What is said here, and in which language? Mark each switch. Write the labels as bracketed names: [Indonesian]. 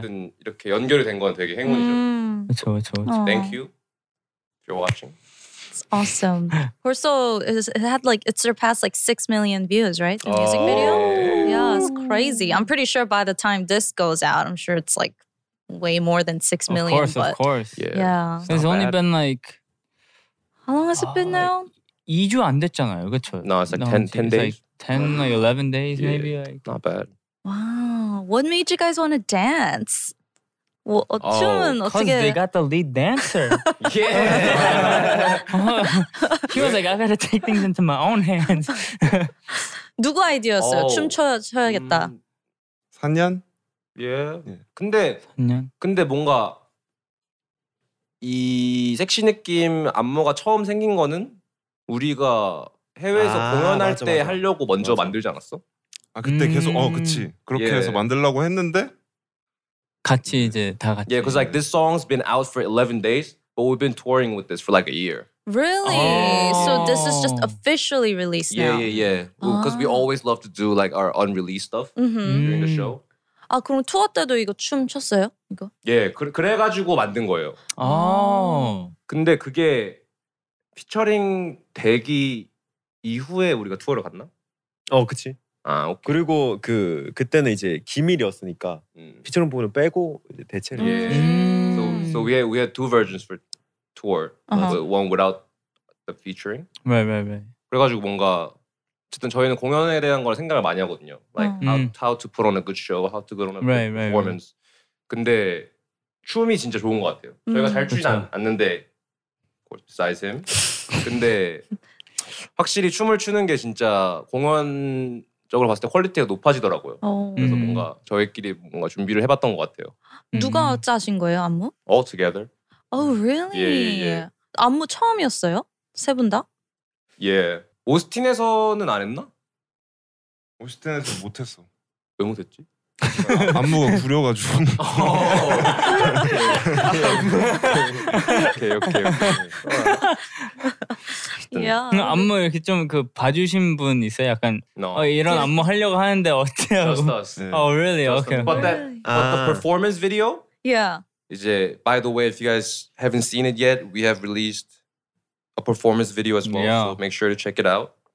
[Korean] 어쨌든 이렇게 연결이 된 건 되게 행운이죠. 그렇죠, 그렇죠, 그렇죠. [English] Thank you. If you're watching. It's awesome. Corso it had like it surpassed like 6 million views, right? The music video. Yeah, it's crazy. I'm pretty sure by the time this goes out, I'm sure it's like way more than 6 million. Of course, but of course. Yeah. It's only been like. How long has it been now? Like, [Korean] 2주 안 됐잖아요, 그렇죠? [English] No, it's like 10 days. It's like 10, like 11 days, yeah, maybe. Like. Not bad. Wow. What made you guys want to dance? Well, [Korean] 춤은 어떻게... [English] Because they got the lead dancer. Yeah. He was like, I gotta take things into my own hands. [Korean] 누구 아이디어였어요? 춤 춰야겠다. 산년? [English] Yeah. [Korean] 근데... 산년? 근데 뭔가... 이 섹시 느낌 안무가 처음 생긴 거는 우리가 해외에서 공연할 때 하려고 먼저 만들지 않았어? 아 그때 계속 그치 그렇게 해서 만들려고 했는데 같이 이제 다 같이 [English] Yeah, because like this song's been out for 11 days but we've been touring with this for like a year. Really? So this is just officially released yeah, Yeah, yeah, yeah. Because we always love to do like our unreleased stuff during the show. [Korean] 아 그럼 투어 때도 이거 춤 췄어요? 이거? 예, 그래가지고 만든 거예요. 아 근데 그게 피처링 되기 이후에 우리가 투어를 갔나? 어, 그치. 아, 오케이. 그리고 그때는 이제 기밀이었으니까 피처링 부분을 빼고 이제 대체를 [English] yeah. So we had two versions for tour. Uh-huh. One without the featuring. Right, right, right. [Korean] 그래가지고 뭔가 어쨌든 저희는 공연에 대한 걸 생각을 많이 하거든요. [English] Like how to put on a good show, how to put on a good performance. Right, right, right. [Korean] 근데 춤이 진짜 좋은 것 같아요. 저희가 잘 추지 않는데 [English] besides him. [Korean] 근데 확실히 춤을 추는 게 진짜 공연적으로 봤을 때 퀄리티가 높아지더라고요. 그래서 뭔가 저희끼리 뭔가 준비를 해봤던 것 같아요. 누가 짜신 거예요, 안무? [English] All together. Oh, really? Yeah, yeah, yeah. [Korean] 안무 처음이었어요? 세 분 다? 예. [English] Yeah. [Korean] 오스틴에서는 안 했나? 오스틴에서 못 했어. 왜 못 했지? 안무가 구려가지고. 오케이 오케이 오케이. 안무 이렇게 좀 그 봐주신 분 있어요? 약간 이런 안무 하려고 하는데 어때요? [English] Just us. Oh really? Okay. But that the performance video? Yeah. [Korean] 이제 [English] by the way, if you guys haven't seen it yet, we have released a performance video as well. So make sure to check it out.